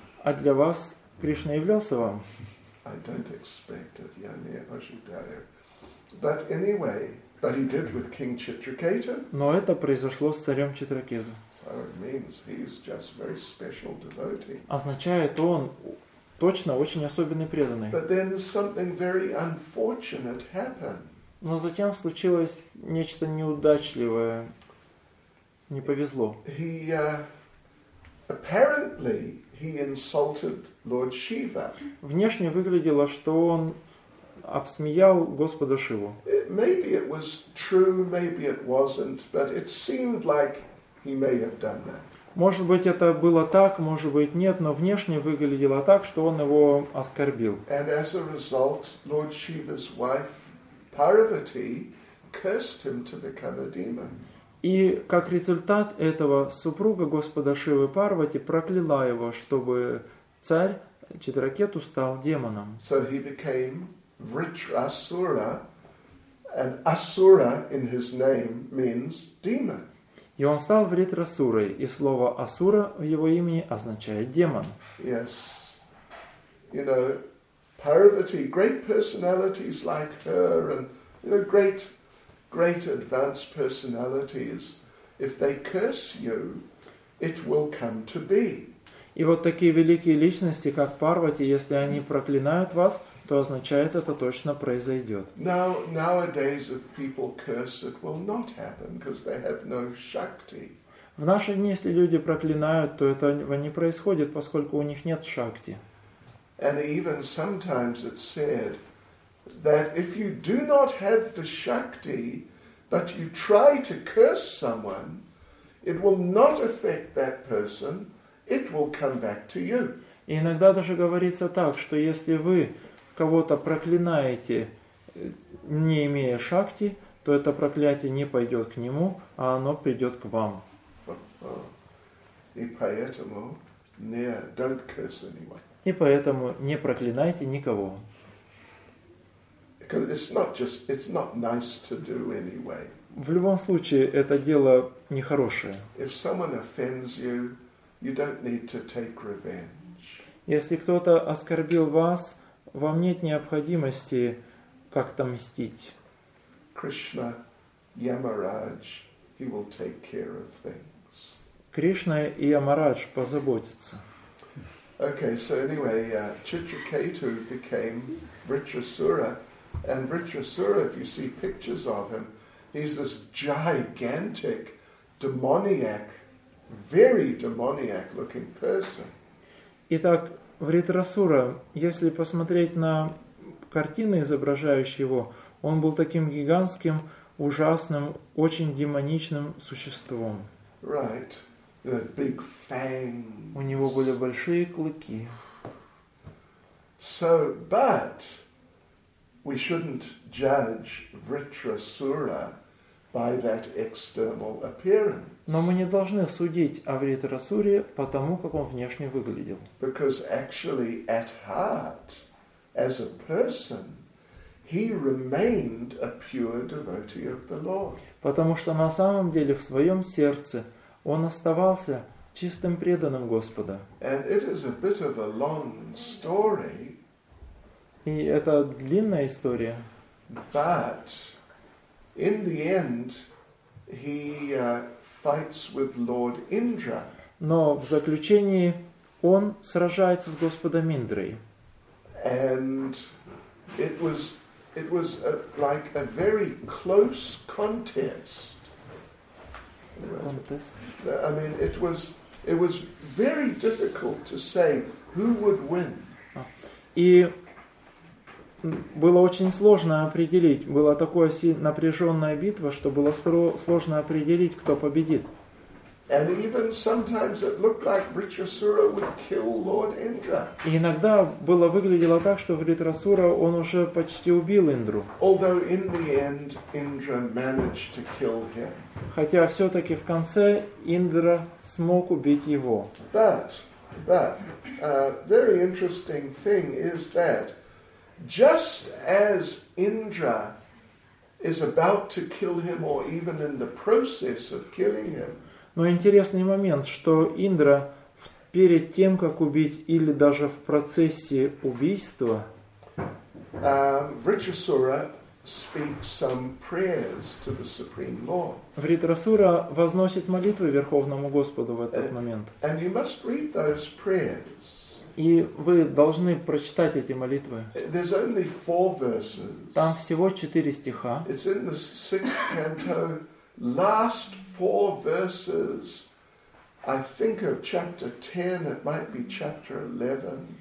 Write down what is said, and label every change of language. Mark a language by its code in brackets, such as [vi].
[ru] А для вас Кришна являлся вам? [en] I don't expect it, [ru] я не ожидаю. [en] But anyway, but he did with King Chitraketu. [ru] Но это произошло с царем Читракету. [en] So it means he's just very special devotee. [ru] Означает, он точно очень особенный преданный. [en] But then something very unfortunate happened. [ru] Но затем случилось нечто неудачливое. Не повезло. [en] Apparently he insulted Lord Shiva. [ru] Внешне выглядело, что он обсмеял Господа Шиву. [en] Maybe it was true, maybe it wasn't, but it seemed like he may have done that. [ru] Может быть, это было так, может быть, нет, но внешне выглядело так, что он его оскорбил. [en] And as a result, Lord Shiva's wife Parvati cursed him to become a demon. [ru] И как результат этого, супруга Господа Шивы Парвати прокляла его, чтобы царь Читракету стал демоном. [en] So he became Vritrasura, And Asura in his name means demon. [ru] И он стал Вритрасурой, и слово Асура в его имени означает демон. [en] Yes. You know, Parvati, great personalities like her, and you know, great advanced personalities, if they curse you, it will come to be. [ru] И вот такие великие личности, как Парвати, если они проклинают вас, то означает, это точно произойдет. [en] Now, nowadays, if people curse, it will not happen, because they have no shakti. [ru] В наши дни, если люди проклинают, то этого не происходит, поскольку у них нет шакти. [en] And even sometimes it's said that if you do not have the shakti, but you try to curse someone, it will not affect that person, it will come back to you. [ru] И иногда даже говорится так, что если вы кого-то проклинаете, не имея шакти, то это проклятие не пойдет к нему, а оно придет к вам. И поэтому не, [en] don't curse anyone. [ru] И поэтому не проклинайте никого. [en] Because it's not nice to do anyway. [ru] В любом случае, это дело нехорошее. [en] If someone offends you, you don't need to take revenge. [ru] Если кто-то оскорбил вас, вам нет необходимости как-то мстить. [en] Krishna, Yamaraj, he will take care of things. [ru] Кришна и Ямарадж позаботятся. [en] Okay, so anyway, Chitraketu became Vritrasura, and Vritrasura, if you see pictures of him, he's this gigantic, demoniac, very demoniac-looking person. [ru] Итак, Вритрасура, если посмотреть на картины, изображающие его, он был таким гигантским, ужасным, очень демоничным существом. [en] Right. The big fangs. [ru] У него были большие клыки. [en] So, but we shouldn't judge Vritrasura by that external appearance. [ru] Но мы не должны судить о Вритрасуре по тому, как он внешне выглядел. [en] Because actually, at heart, as a person, he remained a pure devotee of the Lord. [ru] Потому что на самом деле в своем сердце он оставался чистым преданным Господа. [en] And it is a bit of a long story. [ru] И это длинная история. [en] But in the end, he fights with Lord Indra. [ru] Но в заключении он сражается с Господом Индрой. [en] And it was a, like a very close contest. Contest. I mean, it was very difficult to say who would win. [ru] И было очень сложно определить. Была такая напряженная битва, что было сложно определить, кто победит. [en] And even sometimes it looked like Vritrasura would kill Lord Indra. [ru] И иногда было выглядело так, что Вритрасура он уже почти убил Индру. [en] Although in the end Indra managed to kill him. [ru] Хотя все-таки в конце Индра смог убить его. [en] But very interesting thing is that just as Indra is about to kill him, or even in the process of killing him. [ru] Но интересный момент, что Индра перед тем, как убить, или даже в процессе убийства, [en] Vritrasura speaks some prayers to the Supreme Lord. [ru] Вритрасура возносит молитвы Верховному Господу в этот момент. [en] And you must read those prayers. [ru] И вы должны прочитать эти молитвы. [en] There's only four verses. [ru] Там всего 4 стиха. [en] It's in the sixth canto. Last four verses, I think of chapter 10, it might be chapter 11.